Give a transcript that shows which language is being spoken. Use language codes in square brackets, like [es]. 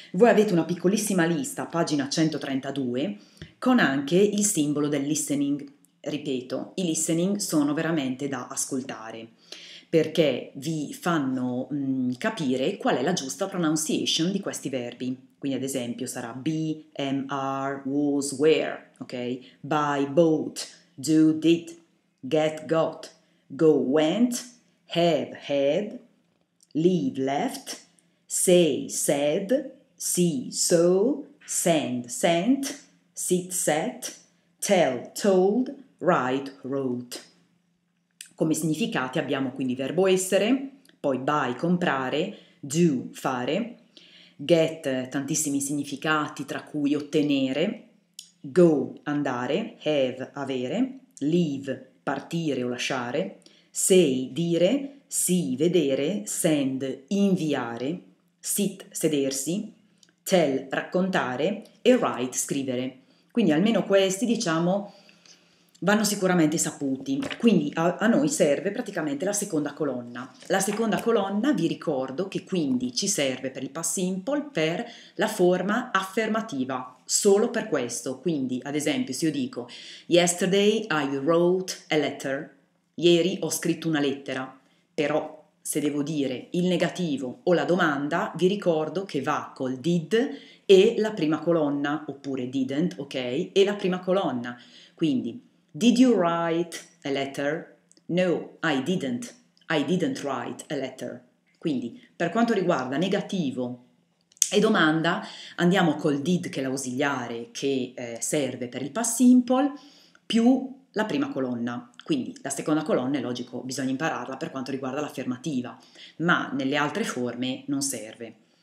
[it] Voi avete una piccolissima lista, pagina 132, con anche il simbolo del listening. Ripeto, i listening sono veramente da ascoltare, perché vi fanno capire qual è la giusta pronunciation di questi verbi. Quindi ad esempio sarà be, am, are, was, were, ok? [en] Buy, bought, do, did, get, got, go, went, have, had, leave, left, say, said, see, saw, send, sent, sit, sat, tell, told, write, wrote. [it] Come significati abbiamo quindi verbo essere, poi buy, comprare, do, fare, get, tantissimi significati tra cui ottenere, go, andare, have, avere, leave, partire o lasciare, say, dire, see, vedere, send, inviare, sit, sedersi, tell, raccontare e write, scrivere. Quindi almeno questi, diciamo, vanno sicuramente saputi, quindi a noi serve praticamente la seconda colonna. La seconda colonna vi ricordo che quindi ci serve per il past simple per la forma affermativa, solo per questo. Quindi, ad esempio, se io dico [en] Yesterday I wrote a letter, [it] ieri ho scritto una lettera, però se devo dire il negativo o la domanda, vi ricordo che va col did e la prima colonna, oppure didn't, ok, e la prima colonna. [en] Quindi, did you write a letter? No, I didn't. I didn't write a letter. [it] Quindi, per quanto riguarda negativo e domanda, andiamo col did, che è l'ausiliare che serve per il past simple, più la prima colonna. Quindi, la seconda colonna è logico, bisogna impararla per quanto riguarda l'affermativa, ma nelle altre forme non serve.